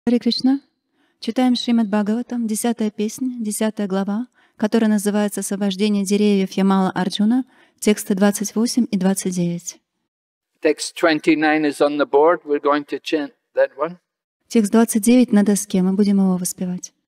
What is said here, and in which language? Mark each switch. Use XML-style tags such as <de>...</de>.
<ru>Hare Krishna, читаем Шримад Бхагаватам, 10 песня, 10 глава, которая называется «Освобождение деревьев Ямала Арджуна», тексты 28 и 29.</ru> <en>Text 29 is on the board, we're going to chant. That one.</en> <ru>Текст 29 на доске, мы будем его воспевать.</ru>